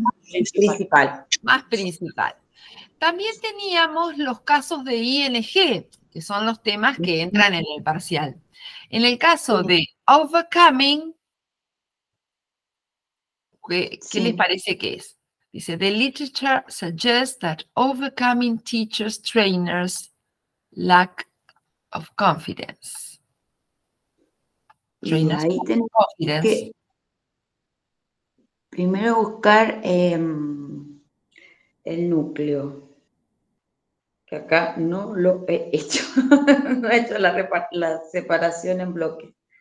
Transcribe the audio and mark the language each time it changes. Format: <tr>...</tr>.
<es>Principal. Más principal. También teníamos los casos de ING, que son los temas que entran en el parcial. En el caso de overcoming, ¿qué, qué les parece que es?</es> <en>Dice, the literature suggests that overcoming teachers, trainers, lack of confidence. Trainers, confidence.</en> <es>Primero buscar el núcleo. Que acá no lo he hecho. No he hecho la separación en bloque.</es>